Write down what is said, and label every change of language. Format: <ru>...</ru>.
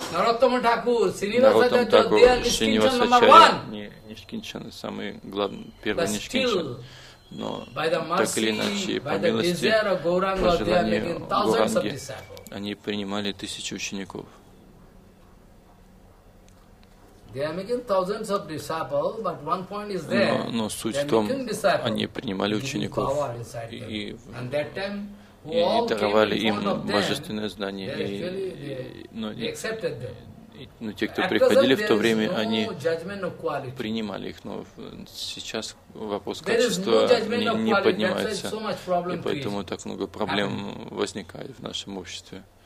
<ru>Нароттама Такур, Синиваса Чари, Нишкинчан, самый главный, первый Нишкинчан. Но так или иначе, по милости, по желанию Гуранги, они принимали тысячи учеников.</ru> <en>They are making thousands of disciples, but one point is there.</en> <ru>Но суть в том, они принимали учеников.</ru> <en>And that time,</en> <ru>и даровали им божественное знание. Но те, кто приходили в то время, они принимали их, но сейчас вопрос качества не поднимается, и поэтому так много проблем возникает в нашем обществе.</ru>